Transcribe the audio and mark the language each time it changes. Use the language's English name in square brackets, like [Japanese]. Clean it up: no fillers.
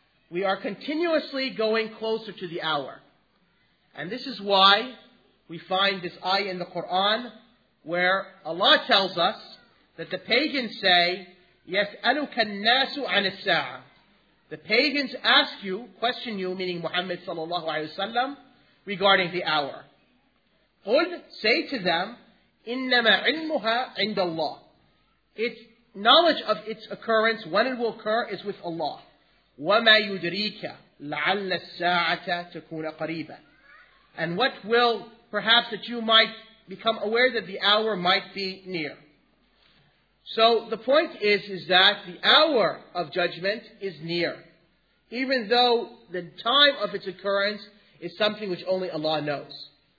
[English] We are continuously going closer to the hour. And this is why we find this ayah in the Quran, where Allah tells us that the pagans say, [Arabic] يَسْأَلُكَ النَّاسُ عَنِ السَّاعَةِ. [English] The pagans ask you, question you, meaning Muhammad sallallahu alaihi wasallam, regarding the hour. [Arabic] قُلْ, [English] say to them, [Arabic] إِنَّمَا عِلْمُهَا عِنْدَ اللَّهِ. [English] Its knowledge of its occurrence, when it will occur, is with Allah. [Arabic] وَمَا يُدْرِيكَ لَعَلَّ السَّاعَةَ تَكُونَ قَرِيبًا. [English] And what will, perhaps that you might become aware that the hour might be near. So the point is that the hour of judgment is near, even though the time of its occurrence is something which only Allah knows.